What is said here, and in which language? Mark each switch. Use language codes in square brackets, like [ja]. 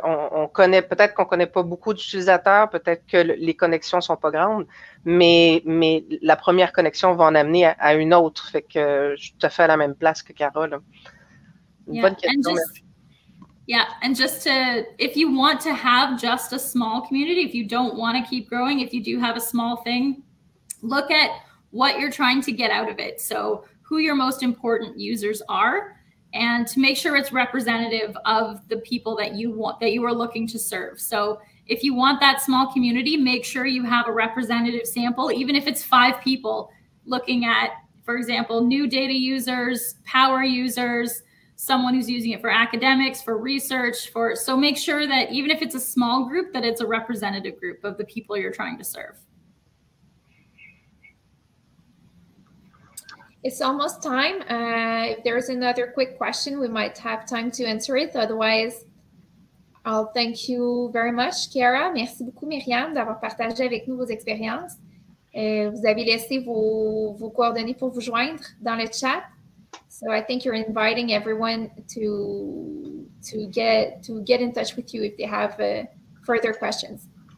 [fr] On connaît, peut-être qu'on connaît pas beaucoup d'utilisateurs, peut-être que les connexions sont pas grandes, mais la première connexion va en amener à une autre. Fait que je suis tout à fait à la même place que Carole. Bonne question. [en] If you want to have just a small community, if you don't want to keep growing, if you do have a small thing, look at what you're trying to get out of it. So who your most important users are, and to make sure it's representative of the people that you want, that you are looking to serve. So if you want that small community, make sure you have a representative sample, even if it's 5 people looking at, for example, new data users, power users, someone who's using it for academics, for research, so make sure that even if it's a small group, that it's a representative group of the people you're trying to serve. It's almost time. If there's another quick question, we might have time to answer it. Otherwise, I'll thank you very much, Kara. [fr] Merci beaucoup, Myriam, d'avoir partagé avec nous vos expériences. Vous avez laissé vos coordonnées pour vous joindre dans le chat. [en] So I think you're inviting everyone to get in touch with you if they have further questions.